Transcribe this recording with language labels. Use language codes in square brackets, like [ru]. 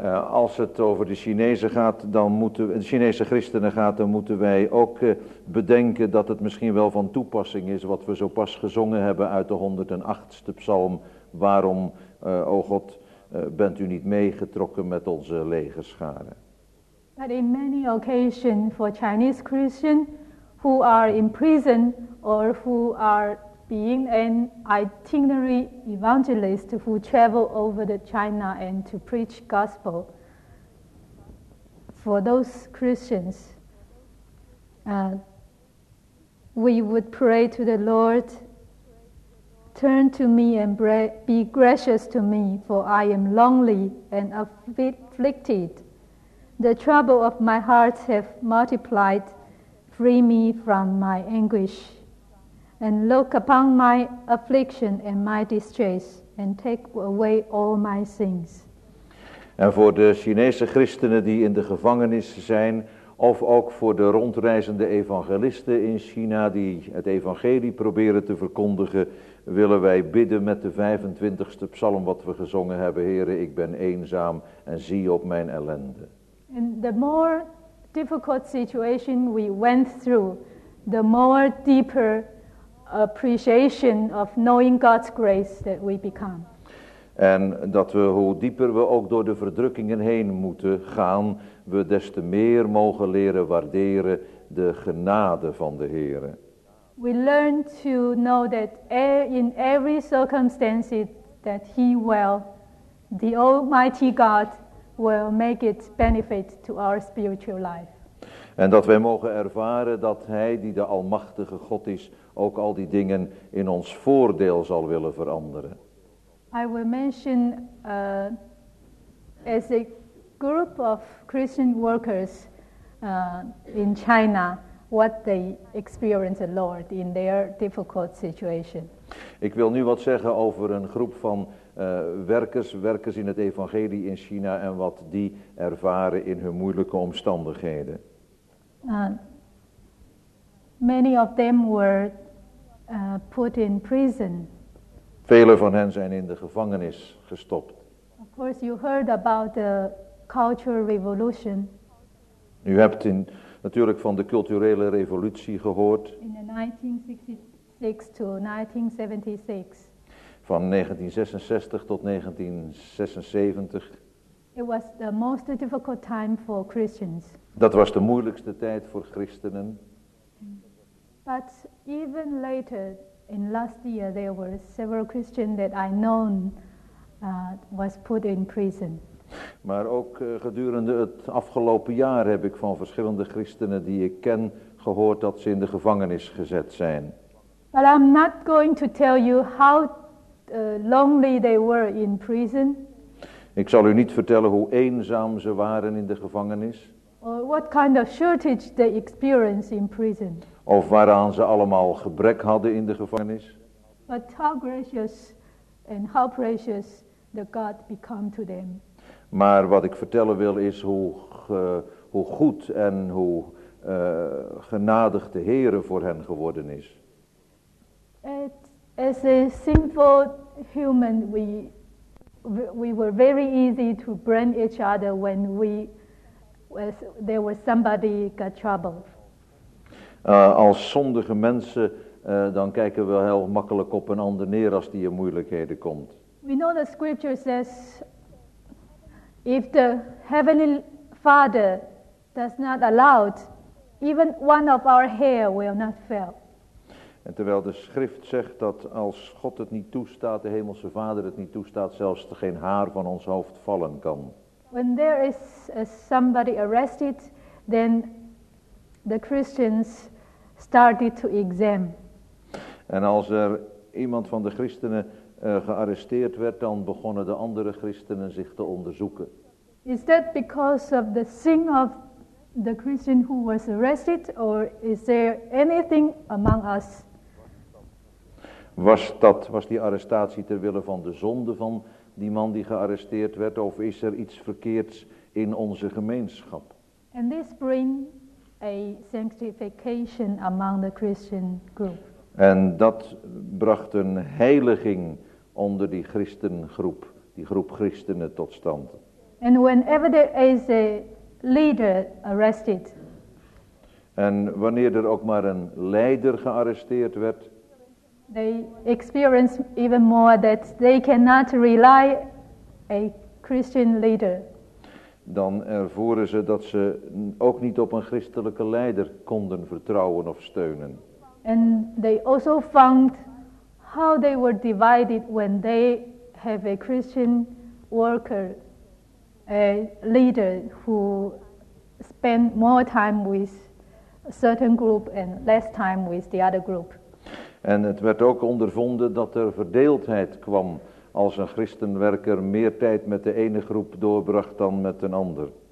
[nl] Als het over de Chinezen gaat, dan moeten we, de Chinese christenen gaat, dan moeten wij ook bedenken dat het misschien wel van toepassing is wat we zo pas gezongen hebben uit de 108ste psalm. Waarom, o God, bent u niet meegetrokken met onze legerscharen? [en] But in many occasions for Chinese Christians who are in prison or who are being an itinerary evangelist who travel over the China and to preach gospel, for those Christians, we would pray to the Lord, turn to me and be gracious to me, for I am lonely and afflicted. The trouble of my heart have multiplied, free me from my anguish. And look upon my affliction and my distress, and take away all my sins. [nl] En voor de Chinese christenen die in de gevangenis zijn, of ook voor de rondreizende evangelisten in China die het evangelie proberen te verkondigen, willen wij bidden met de 25ste psalm wat we gezongen hebben, Heere, ik ben eenzaam en zie op mijn ellende. [en] And the more difficult situation we went through, the more deeper appreciation of knowing God's grace that we become. [nl] En dat we, hoe dieper we ook door de verdrukkingen heen moeten gaan, we des te meer mogen leren waarderen de genade van de Heere. [en] We learn to know that in every circumstance that He will, the Almighty God will make it benefit to our spiritual life. [nl] En dat wij mogen ervaren dat Hij, die de Almachtige God is, ook al die dingen in ons voordeel zal willen veranderen. [en] I will mention as a group of Christian workers in China what they experienced the Lord in their difficult situation. [nl] Ik wil nu wat zeggen over een groep van werkers in het evangelie in China en wat die ervaren in hun moeilijke omstandigheden. [en] Many of them were put in prison. [nl] Vele van hen zijn in de gevangenis gestopt. [en] Of course you heard about the cultural revolution. [nl] U hebt natuurlijk van de culturele revolutie gehoord. [en] In the 1966 to 1976. [nl] Van 1966 tot 1976. [en] It was the most difficult time for Christians. [nl] Dat was de moeilijkste tijd voor christenen. [en] But even later, in last year, there were several Christians that I know was put in prison. [nl] Maar ook gedurende het afgelopen jaar heb ik van verschillende christenen die ik ken gehoord dat ze in de gevangenis gezet zijn. [en] But I'm not going to tell you how lonely they were in prison. [nl] Ik zal u niet vertellen hoe eenzaam ze waren in de gevangenis. [en] Or what kind of shortage they experienced in prison. [nl] Of waaraan ze allemaal gebrek hadden in de gevangenis. [en] But how gracious and how precious the God became to them. [nl] Maar wat ik vertellen wil is hoe goed en hoe genadig de Heere voor hen geworden is. [en] As a sinful human, we were very easy to blame each other when there was somebody got trouble. [nl] Als zondige mensen, dan kijken we heel makkelijk op een ander neer als die in moeilijkheden komt. [en] We know the scripture says, if the heavenly Father does not allow, even one of our hair will not fail. [nl] En terwijl de schrift zegt dat als God het niet toestaat, de hemelse Vader het niet toestaat, zelfs er geen haar van ons hoofd vallen kan. [en] When there is somebody arrested, then the Christians started to examine. [nl] En als er iemand van de christenen gearresteerd werd, dan begonnen de andere christenen zich te onderzoeken. [en] Is that because of the sin of the Christian who was arrested, or is there anything among us? [nl] Was die arrestatie ter wille van de zonde van die man die gearresteerd werd, of is er iets verkeerds in onze gemeenschap? [en] And this bring a sanctification among the Christian group. [nl] En dat bracht een heiliging onder die christengroep, die groep christenen tot stand. [en] And whenever there is a leader arrested. [nl] En wanneer er ook maar een leider gearresteerd werd, [en] they experience even more that they cannot rely a Christian leader. [nl] Dan ervoeren ze dat ze ook niet op een christelijke leider konden vertrouwen of steunen. [en] And they also found how they were divided when they have a Christian worker, a leader who spend more time with a certain group and less time with the other group. [nl] En het werd ook ondervonden dat er verdeeldheid kwam als een christenwerker meer tijd met de ene groep doorbracht dan met een ander.